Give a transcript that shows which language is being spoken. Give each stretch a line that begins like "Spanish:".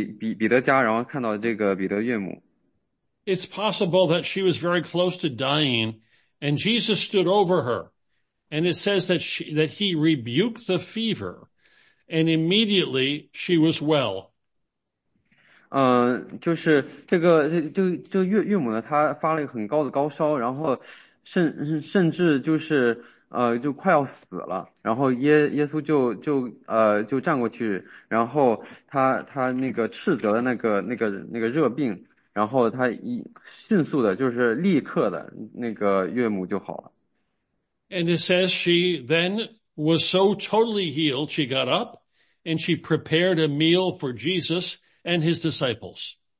Chinese: 在路加福音的四章呢，耶稣当时他离开那个会堂，然后进到这个彼得家，然后看到这个彼得岳母。
English: It's possible that she was very close to dying, and Jesus stood over her, and it says that he rebuked the fever, and immediately she was well.
Chinese: 就是这个岳母呢，她发了一个很高的高烧，然后甚至就是快要死了，然后耶稣就站过去，然后他那个斥责的那个热病。
English: And it says she then was so totally healed, she got up and she prepared a meal for Jesus and his disciples.